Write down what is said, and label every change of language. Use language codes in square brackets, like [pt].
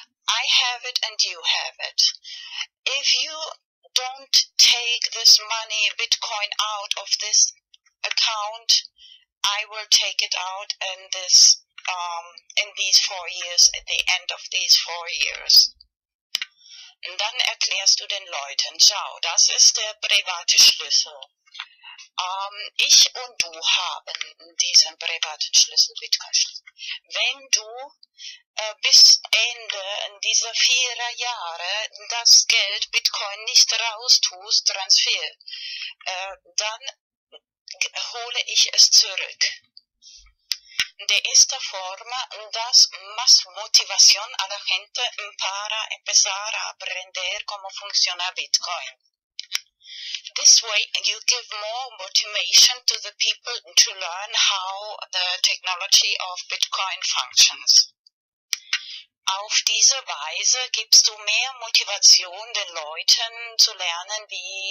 [en] I have it and you have it. If you don't take this money, Bitcoin, out of this account, I will take it out in this, in these 4 years, at the end of these 4 years. [de] Und dann erklärst du den Leuten, schau, das ist der private Schlüssel. Ich und du haben diesen privaten Schlüssel, Bitcoin-Schlüssel. Wenn du bis Ende dieser 4 Jahre das Geld Bitcoin nicht raustust, Transfer, dann hole ich es zurück. [es] De esta forma das más motivación a la gente para empezar a aprender cómo funciona Bitcoin. [en] This way, you give more motivation to the people to learn how the technology of Bitcoin functions. [de] Auf diese Weise gibst du mehr Motivation den Leuten zu lernen, wie die Technologie von Bitcoin funktioniert.